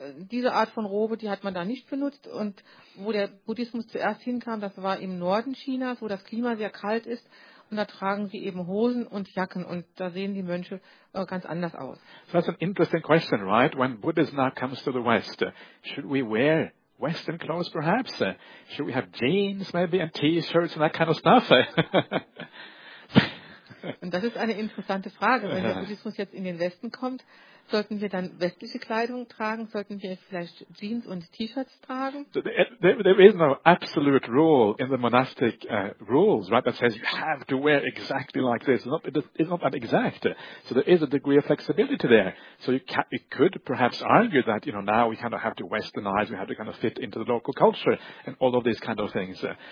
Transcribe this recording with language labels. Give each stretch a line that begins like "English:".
German: Diese Art von Robe, die hat man da nicht benutzt. Und wo der Buddhismus zuerst hinkam, das war im Norden Chinas, wo das Klima sehr kalt ist. Und da tragen sie eben Hosen und Jacken. Und da sehen die Mönche ganz anders aus.
English: So that's an interesting question, right? When Buddhism now comes to the West, should we wear Western clothes perhaps? Should we have jeans maybe and T-shirts and that kind of stuff?
German: Und das ist eine interessante Frage. Wenn der Buddhismus jetzt in den Westen kommt, sollten wir dann westliche Kleidung tragen? Sollten wir vielleicht Jeans und T-Shirts tragen?
English: So there is no absolute rule in the monastic rules, right? That says you have to wear exactly like this. It's not that exact. So there is a degree of flexibility there. So you could perhaps argue that, you know, now we kind of have to westernize, we have to kind of fit into the local culture and all of these kind of things.